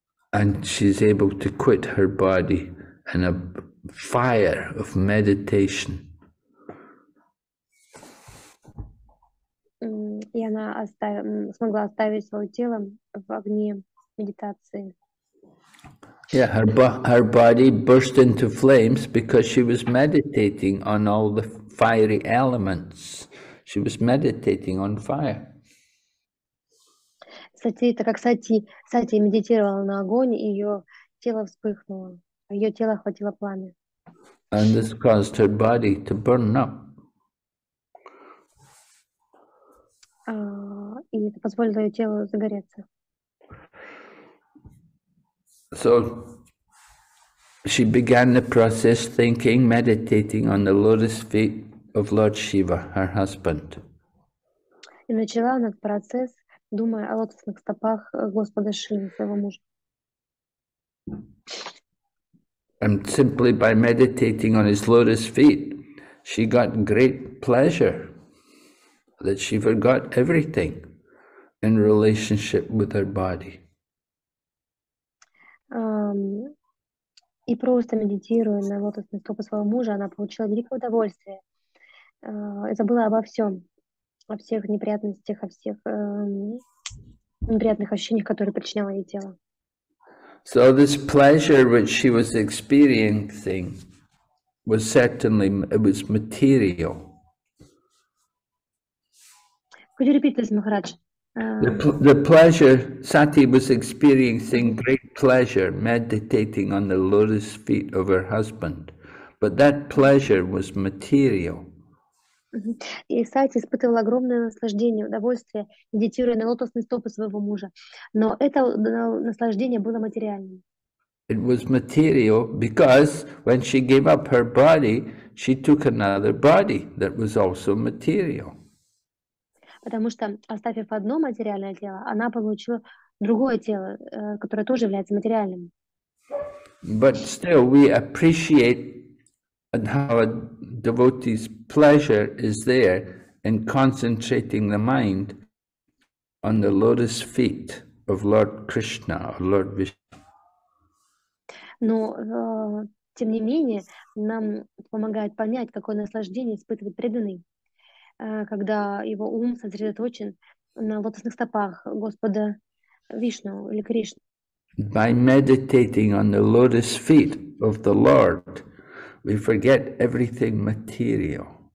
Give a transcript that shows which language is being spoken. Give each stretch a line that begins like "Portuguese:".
English: And she's able to quit her body and a fire of meditation.
Russian: И она смогла оставить свое тело в огне медитации.
English: Yeah, her body burst into flames because she was meditating on all the fiery elements. She was meditating on fire.
Russian: Сати, это как Сати медитировала на огонь, и ее тело вспыхнуло, ее тело охватило пламя.
English: And this caused her body to burn up.
Russian: И это позволило ее телу загореться.
English: So she began the process thinking, meditating on the lotus feet of Lord Shiva, her husband.
Russian: И начала она процесс, думая о лотосных стопах Господа Шивы, своего мужа.
English: And simply by meditating on his lotus feet, she got great pleasure that she forgot everything in relationship with her body.
Russian: И просто медитируя на лотосных стопах своего мужа, она получила великое удовольствие. Забыла обо всем, о всех неприятностях, о всех неприятных ощущениях, которые причиняло ей тело.
English: So this pleasure which she was experiencing was certainly, it was material. Could you repeat this, Maharaj? The pleasure, Sati was experiencing great pleasure meditating on the lotus feet of her husband, but that pleasure was material.
Russian: И Сати испытывала огромное наслаждение, удовольствие, медитируя на лотосные стопы своего мужа. Но это наслаждение было материальным.
English: It was material because when she gave up her body, she took another body that was also material.
Russian: Потому что, оставив одно материальное тело, она получила другое тело, которое тоже является материальным.
English: But still we appreciate and how a devotee's pleasure is there in concentrating the mind on the lotus feet of Lord Krishna or Lord Vishnu.
Russian: Но, тем не менее, нам помогает понять, какое наслаждение испытывает преданный, когда его ум сосредоточен на лотосных стопах Господа Вишну или Кришны.
English: By meditating on the lotus feet of the Lord, we forget everything material.